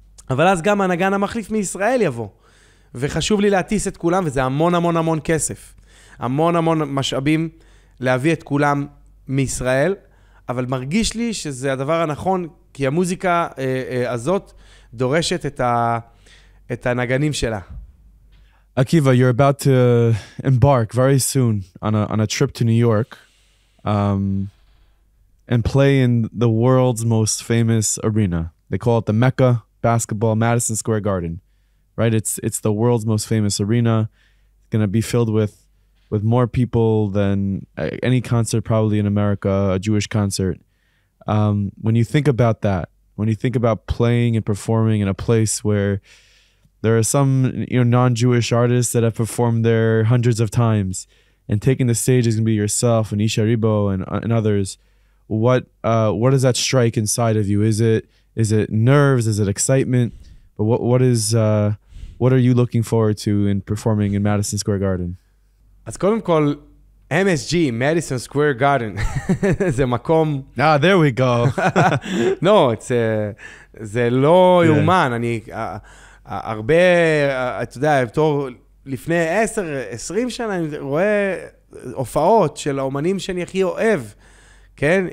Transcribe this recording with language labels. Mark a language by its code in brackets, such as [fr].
[he] אבל אז גם הנגן המחליף מישראל יבוא. וחשוב לי להטיס את כולם, וזה המון המון המון כסף. המון המון משאבים להביא את כולם מישראל. אבל מרגיש לי שזה הדבר הנכון, כי המוזיקה הזאת דורשת את הנגנים שלה. [en] Akiva, you're about to embark very soon on a trip to New York and play in the world's most famous arena. They call it the Mecca Basketball, Madison Square Garden, right? It's the world's most famous arena. It's going to be filled with more people than any concert probably in America, a Jewish concert. When you think about that, when you think about playing and performing in a place where there are some, you know, non-Jewish artists that have performed there hundreds of times, and taking the stage is going to be yourself and Isha Ariba and others, what does that strike inside of you? Is it Is it nerves? Is it excitement? But what are you looking forward to in performing in Madison Square Garden? [he] אז קודם כל, MSG, Madison Square Garden, זה מקום... [en] Ah, there we go. No, it's, [he] זה לא יומן. אני, הרבה, אתה יודע, בתור, לפני 10-20 שנה, אני רואה הופעות של האומנים שאני הכי אוהב, כן?